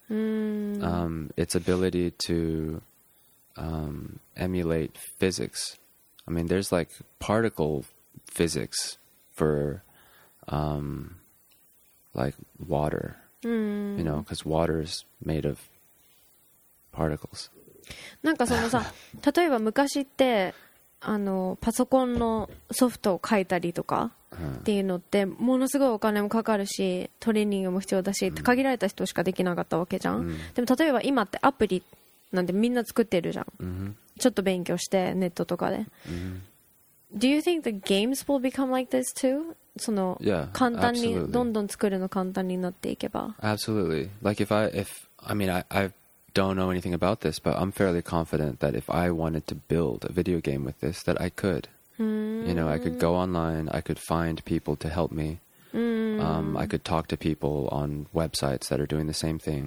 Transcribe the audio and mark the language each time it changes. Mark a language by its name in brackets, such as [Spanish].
[English] Its ability to emulate physics. I mean, there's like particle physics for... Like water, you know, because water is made of particles. [Japanese] なんかそのさ、例えば昔ってあのパソコンのソフトを書いたりとかっていうのってものすごいお金もかかるし、トレーニングも必要だし、限られた人しかできなかったわけじゃん。でも例えば今ってアプリなんてみんな作ってるじゃん。ちょっと勉強してネットとかで。 [English] Do you think the games will become like this too? [Japanese] その簡単にどんどん作るの簡単になっていけば [English] Absolutely. Like I don't know anything about this, but I'm fairly confident that if I wanted to build a video game with this, that I could. You know, I could go online, I could find people to help me. I could talk to people on websites that are doing the same thing.